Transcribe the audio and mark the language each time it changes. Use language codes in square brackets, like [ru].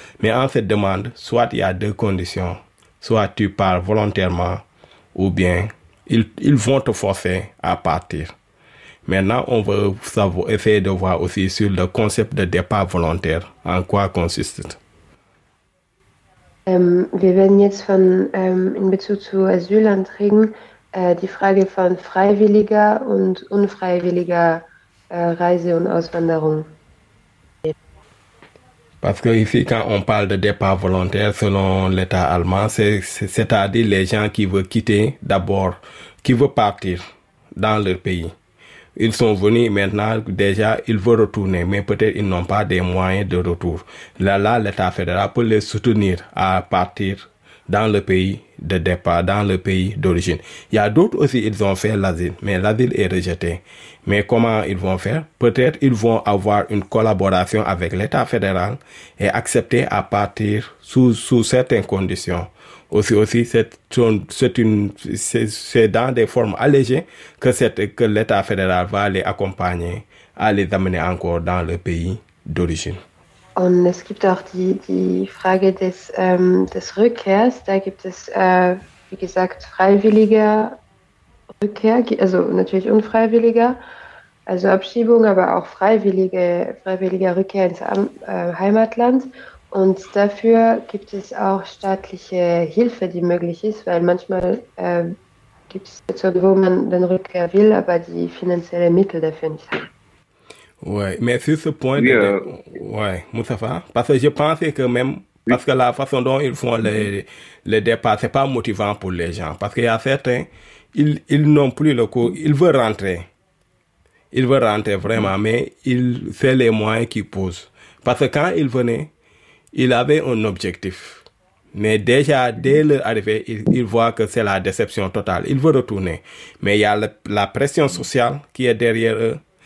[fr] Mais en cette demande, soit il y a deux conditions. Soit tu pars volontairement ou bien ils vont te forcer à partir. Maintenant, on veut essayer de voir aussi sur le concept de départ volontaire, en quoi consiste. [de] Wir werden jetzt in Bezug zu Asylanträgen die Frage von freiwilliger und unfreiwilliger Reise und Auswanderung. [fr] Parce que ici, quand on parle de départ volontaire, selon l'État allemand, c'est-à-dire les gens qui veulent quitter d'abord, qui veulent partir dans leur pays. Ils sont venus maintenant, déjà, ils veulent retourner, mais peut-être ils n'ont pas des moyens de retour. Là, l'État fédéral peut les soutenir à partir dans le pays de départ, dans le pays d'origine. Il y a d'autres aussi, ils ont fait l'asile, mais l'asile est rejeté. Mais comment ils vont faire? Peut-être ils vont avoir une collaboration avec l'État fédéral et accepter à partir sous certaines conditions. Aussi, c'est dans des formes allégées que l'État fédéral va les accompagner, à les amener encore dans le pays d'origine. [de] Und es gibt auch die Frage des Rückkehrs. Da gibt es, wie gesagt, freiwillige Rückkehr, also natürlich unfreiwilliger, also Abschiebung, aber auch freiwillige Rückkehr ins Heimatland. Und dafür gibt es auch staatliche Hilfe, die möglich ist, weil manchmal gibt es Situationen, wo man den Rückkehr will, aber die finanziellen Mittel dafür nicht hat. [fr] Oui, mais sur ce point, Moustapha, parce que je pensais que même, parce que la façon dont ils font le départ, c'est pas motivant pour les gens, parce qu'il y a certains, ils n'ont plus le coup, ils veulent rentrer vraiment, mais c'est les moyens qu'ils posent, parce que quand ils venaient, ils avaient un objectif, mais déjà, dès leur arrivée, ils voient que c'est la déception totale, ils veulent retourner, mais il y a la pression sociale qui est derrière eux.